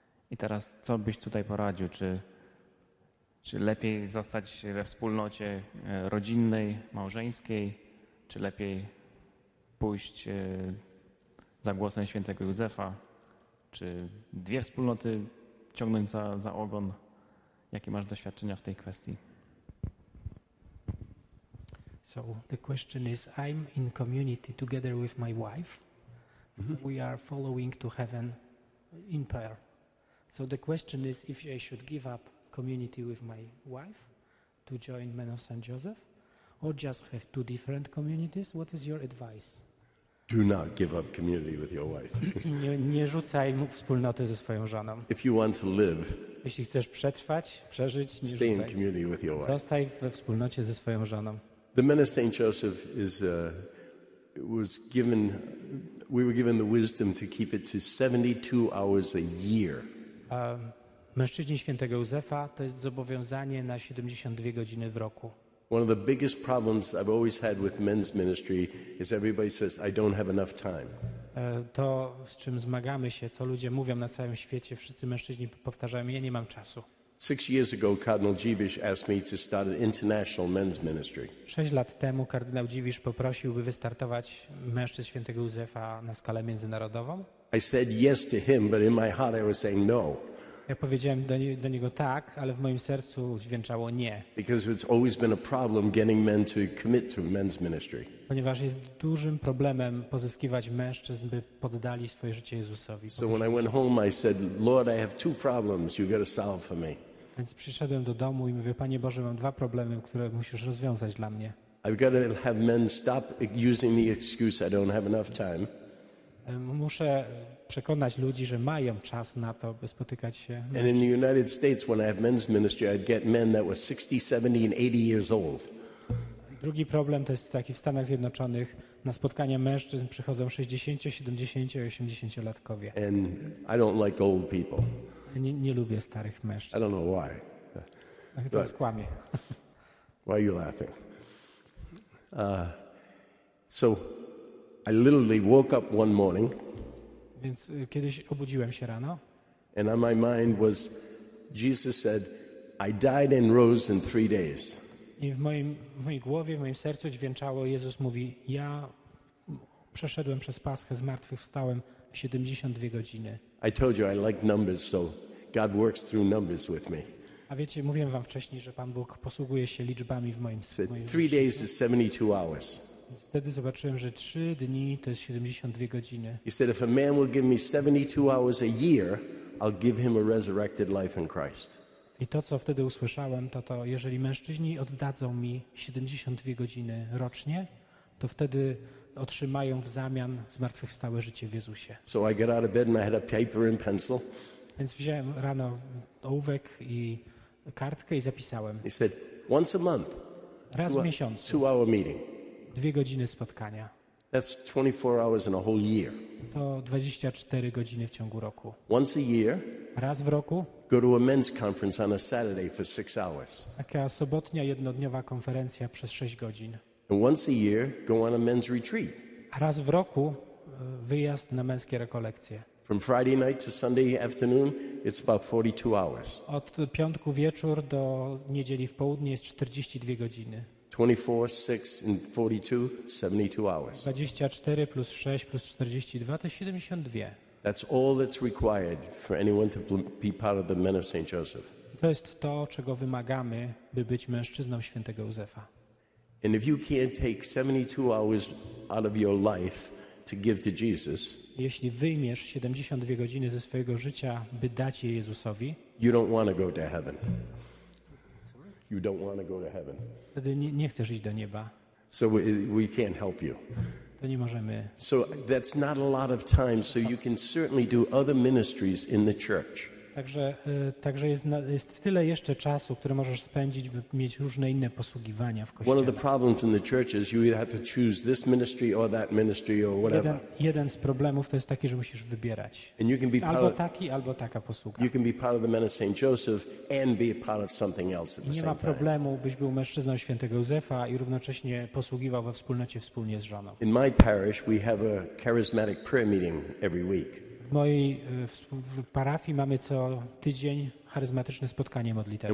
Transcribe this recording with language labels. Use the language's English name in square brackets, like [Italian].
[Polish] I teraz, co byś tutaj poradził? Czy lepiej zostać we wspólnocie rodzinnej, małżeńskiej, czy lepiej pójść za głosem świętego Józefa? Czy dwie wspólnoty ciągnąć za ogon? Jakie masz doświadczenia w tej kwestii? [English] So the question is, I'm in community together with my wife. So we are following to heaven in prayer. So the question is if I should give up community with my wife to join Men of St. Joseph or just have two different communities? What is your advice? Do not give up community with your wife. [Polish] Nie rzucaj wspólnoty ze swoją żoną. [English] If you want to live, [Polish] jeśli chcesz przetrwać, przeżyć, nie [English] stay [Polish] rzucaj. [English] In community with your wife. [Polish] Zostaj we wspólnocie ze swoją żoną. [English] The Men of St. Joseph is was given, we were given the wisdom to keep it to 72 hours a year. [Polish] Mężczyźni Świętego Józefa to jest zobowiązanie na 72 godziny w roku. [English] One of the biggest problems I've always had with men's ministry is everybody says I don't have enough time. [Polish] To, z czym zmagamy się, co ludzie mówią na całym świecie, wszyscy mężczyźni powtarzają, ja nie mam czasu. [English] 6 years ago, Cardinal Dziwisz asked me to start an international men's ministry. [Polish] 6 lat temu kardynał Dziwisz poprosił, by wystartować mężczyzn Świętego Józefa na skalę międzynarodową. [English] I said yes to him, but in my heart I was saying no. [Polish] Ja powiedziałem do niego tak, ale w moim sercu dźwięczało nie. [English] Because it's always been a problem getting men to commit to men's ministry. [Polish] Ponieważ jest dużym problemem pozyskiwać mężczyzn, by poddali swoje życie Jezusowi. [English] So when I went home, I said, Lord, I have two problems. You've got to solve for me. [Polish] Więc przyszedłem do domu i mówię, Panie Boże, mam dwa problemy, które musisz rozwiązać dla mnie. [English] I've got to have men stop using the excuse I don't have enough time. [Polish] Muszę przekonać ludzi, że mają czas na to, by spotykać się. [English] And in the United States, when I have men's ministry, I'd get men that were 60, 70, and 80 years old. [Polish] Drugi problem to jest taki w Stanach Zjednoczonych na spotkania mężczyzn przychodzą 60, 70, 80 latkowie. [English] And I don't like old people. [Polish] Nie lubię starych mężczyzn. [English] I don't know why. [Polish] To jest kłamie. [English] Why are you laughing? So I literally woke up one morning. [Polish] Więc kiedyś obudziłem się rano. [English] And on my mind was Jesus said, I died and rose in 3 days. [Polish] I w mojej głowie, w moim sercu dźwięczało, Jezus mówi, ja przeszedłem przez Paschę, zmartwychwstałem w 72 godziny. [English] I told you I like numbers, so God works through numbers with me. [Polish] A wiecie, mówiłem wam wcześniej, że Pan Bóg posługuje się liczbami w moim sercu. [English] 3 days is 72 hours. [Polish] Wtedy zobaczyłem, że 3 dni to jest 72 godziny. [English] He said, if a man will give me 72 hours a year, I'll give him a resurrected life in Christ. [Polish] I to, co wtedy usłyszałem, to jeżeli mężczyźni oddadzą mi 72 godziny rocznie, to wtedy otrzymają w zamian zmartwychwstałe życie w Jezusie. [English] So I got out of bed and I had a paper and pencil. [Polish] Więc wziąłem rano ołówek i kartkę i zapisałem. [English] He said, once a month, [Polish] raz w miesiącu, [English] 2 hour meeting. [Polish] 2 godziny spotkania. [English] That's 24 hours in a whole year. [Polish] To 24 godziny w ciągu roku. [English] Once a year. [Polish] Raz w roku. [English] Go to a men's conference on a Saturday for 6 hours. [Polish] Taka sobotnia jednodniowa konferencja przez 6 godzin. [English] And once a year, go on a men's retreat. [Polish] A raz w roku wyjazd na męskie rekolekcje. [English] From Friday night to Sunday afternoon, it's about 42 hours. [Polish] Od piątku wieczór do niedzieli w południe jest 42 godziny. [English] 24, 6 and 42, 72 hours. [Polish] 24 plus 6 plus 42 to 72. [English] That's all that's required for anyone to be part of the men of St. Joseph. [Polish] To jest to, czego wymagamy, by być mężczyzną świętego Józefa. [English] And if you can't take 72 hours out of your life to give to Jesus, [Polish] jeśli wyjmiesz 72 godziny ze swojego życia, by dać je Jezusowi, [English] you don't want to go to heaven. You don't want to go to heaven. [Polish] Wtedy nie chcesz iść do nieba. [English] So we can't help you. [Polish] To nie możemy. [English] So that's not a lot of time, so you can certainly do other ministries in the church. [Polish] Także jest tyle jeszcze czasu, który możesz spędzić, by mieć różne inne posługiwania w kościele. [English] One of the problems in the church is you have to choose this ministry or that ministry or whatever. [Polish] Jeden z problemów to jest taki, że musisz wybierać. [English] And you can be [Polish] albo taki, albo taka posługa. [English] You can be part of the men of St. Joseph and be part of something else at the same time. [Polish] Nie ma problemu, byś był mężczyzną świętego Józefa i równocześnie posługiwał we wspólnocie wspólnie z żoną. [English] In my parish we have a charismatic prayer meeting every week. [Polish] W mojej parafii mamy co tydzień charyzmatyczne spotkanie modlitewne.